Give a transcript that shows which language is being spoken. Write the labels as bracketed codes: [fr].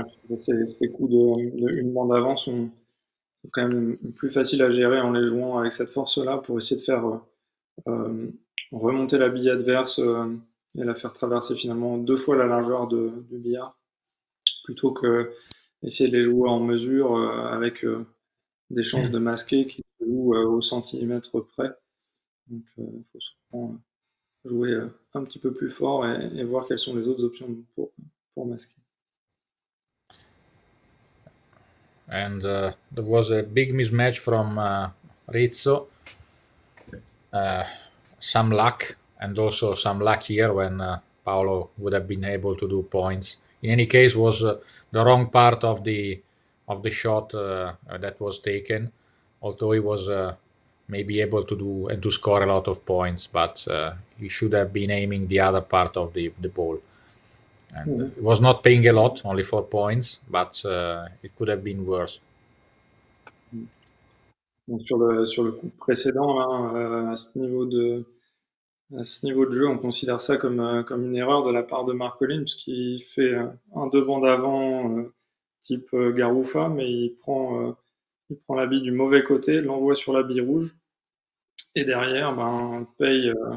[fr] Ces coups de une bande avant sont quand même plus faciles à gérer en les jouant avec cette force-là pour essayer de faire remonter la bille adverse et la faire traverser finalement deux fois la largeur du billard, plutôt que essayer de les jouer en mesure avec des chances de masquer qui se jouent au centimètre près. Donc il faut souvent jouer un petit peu plus fort et voir quelles sont les autres options pour masquer. [en] And there was a big mismatch from Rizzo. Some luck, and also some luck here when Paolo would have been able to do points. In any case, was the wrong part of the shot that was taken, although he was maybe able to do and to score a lot of points, but he should have been aiming the other part of the ball. And it was not paying a lot, only 4 points, but it could have been worse. [fr] Donc sur le coup précédent, hein, à ce niveau de jeu, on considère ça comme une erreur de la part de Marcolin, puisqu'il fait un devant d'avant type Garoufa, mais il prend la bille du mauvais côté, l'envoie sur la bille rouge, et derrière, paye.